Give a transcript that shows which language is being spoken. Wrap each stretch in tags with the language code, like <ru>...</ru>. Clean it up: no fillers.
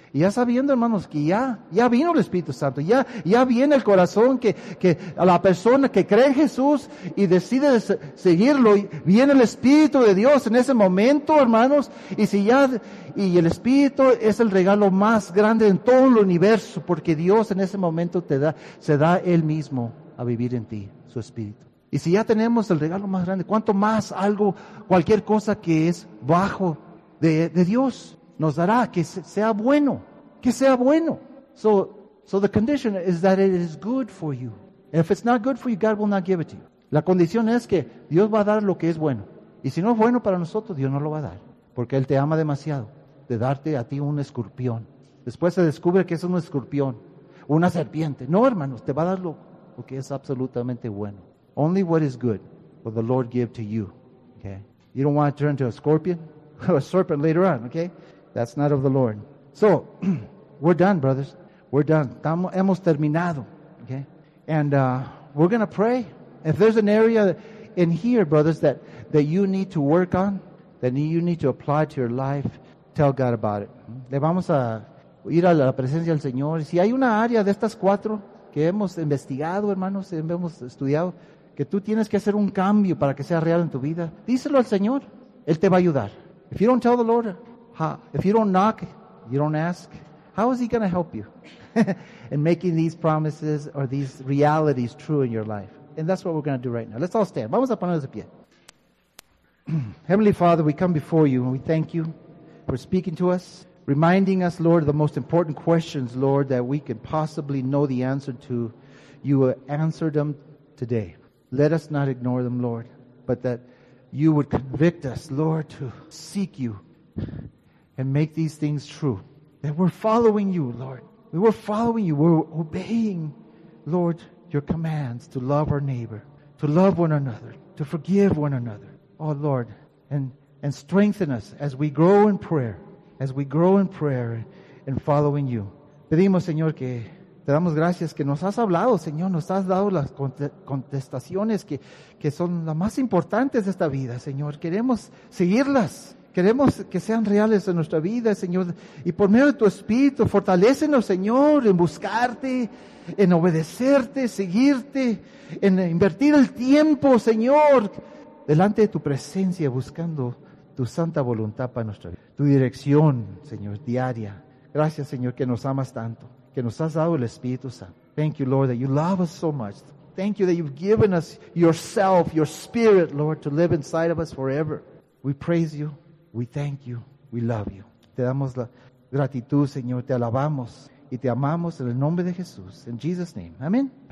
<es>Y ya sabiendo, hermanos, que ya vino el Espíritu Santo, ya viene el corazón que a la persona que cree en Jesús y decide seguirlo, y viene el Espíritu de Dios en ese momento, hermanos, y el Espíritu es el regalo más grande en todo el universo, porque Dios en ese momento se da Él mismo a vivir en ti, su Espíritu. Y si ya tenemos el regalo más grande, ¿cuánto más algo, cualquier cosa que es bajo de Dios nos dará? Que sea bueno, que sea bueno.</es> <en>So the condition is that it is good for you. And if it's not good for you, God will not give it to you.</en> <es>La condición es que Dios va a dar lo que es bueno. Y si no es bueno para nosotros, Dios no lo va a dar. Porque Él te ama demasiado de darte a ti un escorpión. Después se descubre que es un escorpión, una serpiente. No, hermanos, te va a dar lo que es absolutamente bueno.</es> <en>Only what is good will the Lord give to you. Okay? You don't want to turn to a scorpion or a serpent later on. Okay? That's not of the Lord. So, we're done, brothers. We're done.</en> <es>Hemos terminado.</es> <en>Okay? And we're going to pray. If there's an area in here, brothers, that you need to work on, that you need to apply to your life, tell God about it.</en> <es>Le vamos a ir a la presencia del Señor. Si hay una área de estas cuatro que hemos investigado, hermanos, hemos estudiado, que tú tienes que hacer un cambio para que sea real en tu vida, díselo al Señor, Él te va a ayudar.</es> <en>If you don't tell the Lord, if you don't knock, you don't ask, how is He going to help you in making these promises or these realities true in your life? And that's what we're going to do right now. Let's all stand.</en> <es>Vamos a ponernos de pie.</es> <en>Heavenly Father, we come before You and we thank You for speaking to us. Reminding us, Lord, the most important questions, Lord, that we could possibly know the answer to. you will answer them today. Let us not ignore them, Lord, but that you would convict us, Lord, to seek you and make these things true. That we're following you, Lord. We were following you. We're obeying, Lord, your commands to love our neighbor, to love one another, to forgive one another. Oh, Lord, and strengthen us as we grow in prayer, as we grow in prayer and following you.</en> <es>Pedimos, Señor, que te damos gracias, que nos has hablado, Señor, nos has dado las contestaciones que son las más importantes de esta vida, Señor. Queremos seguirlas, queremos que sean reales en nuestra vida, Señor. Y por medio de tu Espíritu, fortalécenos, Señor, en buscarte, en obedecerte, seguirte, en invertir el tiempo, Señor, delante de tu presencia, buscando tu santa voluntad para nuestra vida, tu dirección, Señor, diaria. Gracias, Señor, que nos amas tanto, que nos has dado el Espíritu Santo.</es> <en>Thank you, Lord, that you love us so much. Thank you that you've given us yourself, your Spirit, Lord, to live inside of us forever. We praise you, we thank you, we love you.</en> <es>Te damos la gratitud, Señor, te alabamos y te amamos en el nombre de Jesús.</es> <en>In Jesus' name, amen.</en>